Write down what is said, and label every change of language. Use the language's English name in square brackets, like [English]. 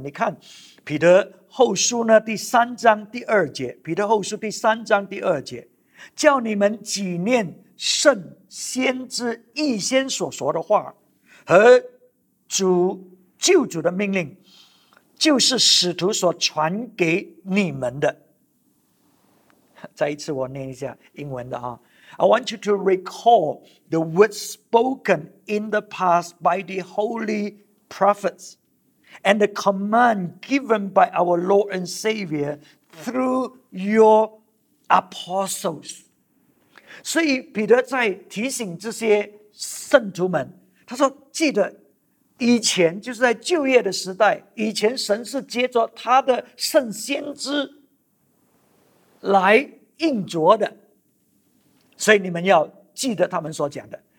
[Chinese] 你看彼得后书呢第三章第二节，彼得后书第三章第二节，叫你们纪念圣先知预先所说的话和主救主的命令，就是使徒所传给你们的。再一次我念一下英文的 [English] I want you to recall the words spoken in the past by the holy prophets and the command given by our Lord and Savior through your apostles. [Chinese] 所以彼得在提醒这些圣徒们，他说记得以前，就是在旧约的时代，以前神是借着他的圣先知来应着的，所以你们要记得他们所讲的。